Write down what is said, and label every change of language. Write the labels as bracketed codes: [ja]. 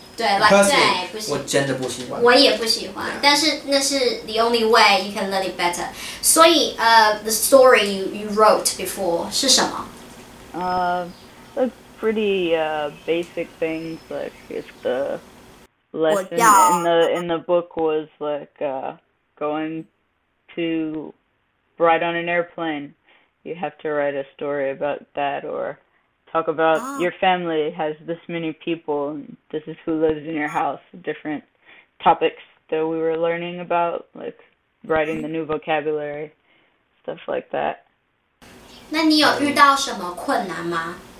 [zh] 对，我真的不喜欢。我也不喜欢。但是那是 [en] the only way you can learn it better. [zh] 所以, [en] the story you wrote before, [zh] 是什么? [en] Pretty basic things, like if the lesson in the book was like, going to ride on an airplane, you have to write a story about that, or talk about your family has this many people, and this is who lives in your house, different topics that we were learning about, like writing the new vocabulary, stuff like that. [zh] 那你有遇到什么困难吗?